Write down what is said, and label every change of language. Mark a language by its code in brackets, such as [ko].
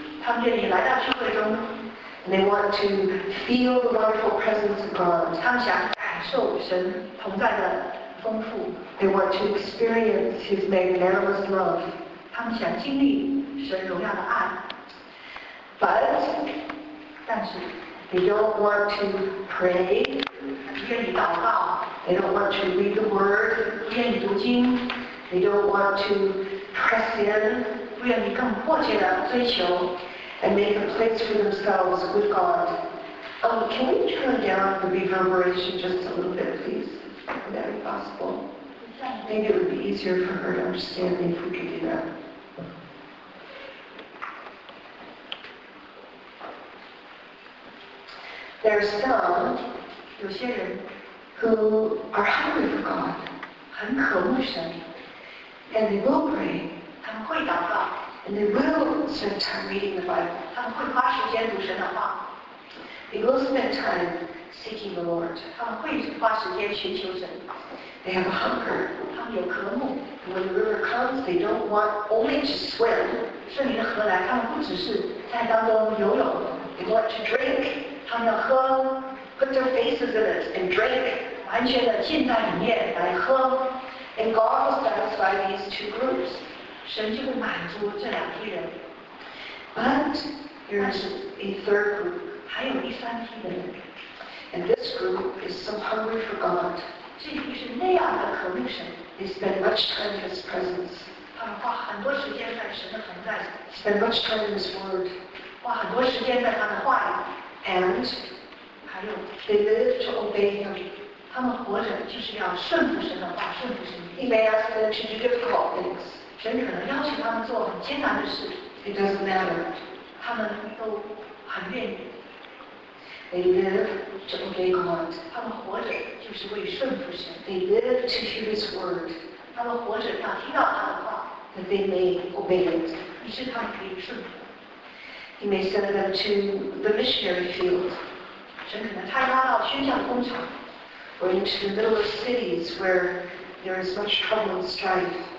[en] And they want to feel the wonderful presence of God. [zh] 他们想感受神同在的丰富。 [en] They want to experience His magnanimous love. [zh] 他们想经历神荣耀的爱。 [en] But [zh] 但是, [en] they don't want to pray. [zh] 不愿意祷告。 [en] They don't want to read the word. [zh] 不愿意读经。 [en] They don't want to press in. [zh] 不愿意更迫切地追求。 [en] And make a place for themselves with God. Can we turn down the reverberation just a little bit, please? Would that be possible? Maybe it would be easier for her to understand if we could do that. There are some [zh] 有些人, [en] who are hungry for God. [zh] 很渴慕神, [en] and they will pray. [zh] 他们会祷告, [en] and they will spend time reading the Bible. [zh] 他们会花时间读神的话, [en] they will spend time seeking the Lord. [zh] 他们会花时间寻求神, [en] they have a hunger. [zh] 他们有渴慕, [en] and when the river comes, they don't want only to swim. [zh] 圣灵的河来, 他们不只是在当中游泳, [en] they want to drink. [zh] 他们要喝, [en] put their faces in it and drink. [zh] 完全的浸在里面来喝, [en] and God will satisfy these two groups. [zh] 神就会满足这两批人。 [en] But there is a third group. [zh] 还有第三批人。 [en] And this group is so hungry for God. [zh] 这一批是那样的渴慕神。 [en] They spend much time in His presence. [zh] 他们花很多时间在神的同在。 [en] Spend much time in His word. [zh] 花很多时间在他的话语。 [en] And [zh] 还有, [en] they live to obey Him. [zh] 他们活着就是要顺服神的话，顺服神的意。 [en] He may ask them to do difficult things. [zh] 神可能邀请他们做很艰难的事。 [en] It doesn't matter. [zh] 他们都很愿意。 [en] They live to obey God. [zh] 他们活着就是为顺服神。 [en] They live to hear His word. [zh] 他们活着要听到他的话。 [en] That they may obey it. [zh] 于是他们可以顺服。 [en] He may send them to the missionary field. [zh] 神可能派他到宣教工厂。 [en] Or into the middle of cities where there is much trouble and strife.